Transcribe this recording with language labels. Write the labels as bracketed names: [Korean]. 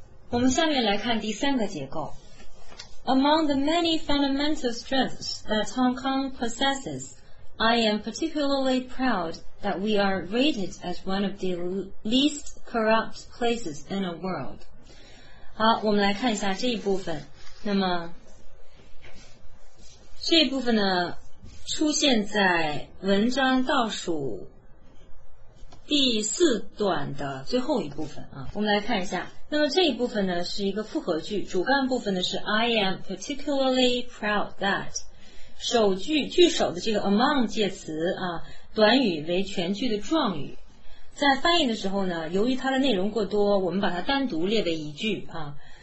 [Chinese] 我们下面来看第三个结构。 [English] Among the many fundamental strengths that Hong Kong possesses, I am particularly proud that we are rated as one of the least corrupt places in the world. [Chinese] 好，我们来看一下这一部分。那么这一部分呢，出现在文章倒数第四段的最后一部分啊，我们来看一下。那么这一部分呢是一个复合句，主干部分呢是 [English] I am particularly proud that， [Chinese] 首句句首的这个 among 介词啊，短语为全句的状语，在翻译的时候呢，由于它的内容过多，我们把它单独列为一句啊，